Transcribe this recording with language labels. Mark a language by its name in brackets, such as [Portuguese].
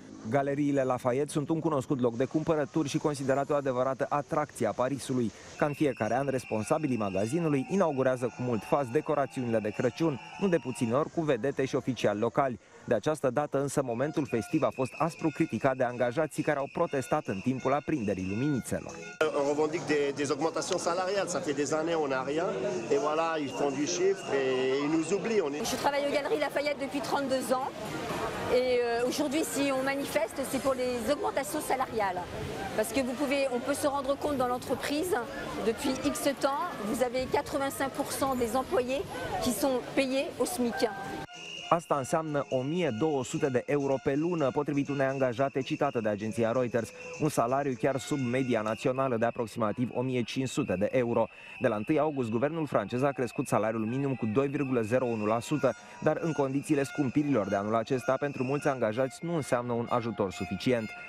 [Romanian] Galeriile Lafayette sunt un cunoscut loc de cumpărături și considerat o adevărată atracție a Parisului. Ca în fiecare an, responsabilii magazinului inaugurează cu mult fast decorațiunile de Crăciun, nu de puțin ori cu vedete și oficiali locali. De această dată însă momentul festiv a fost aspru criticat de angajații care au protestat în timpul aprinderii luminițelor. [French] On revendique des augmentations salariales, ça fait des années on a rien et voilà, ils font du chiffre et ils nous oublient. Je travaille aux galeries Lafayette depuis 32 ans et aujourd'hui si on manifeste, c'est pour les augmentations salariales parce que on peut se rendre compte dans l'entreprise depuis X temps, vous avez 85% des employés qui sont payés au SMIC. [Romanian] Asta înseamnă 1200 de euro pe lună, potrivit unei angajate citată de agenția Reuters, un salariu chiar sub media națională de aproximativ 1500 de euro. De la 1 august, guvernul francez a crescut salariul minim cu 2,01%, dar în condițiile scumpirilor de anul acesta, pentru mulți angajați nu înseamnă un ajutor suficient.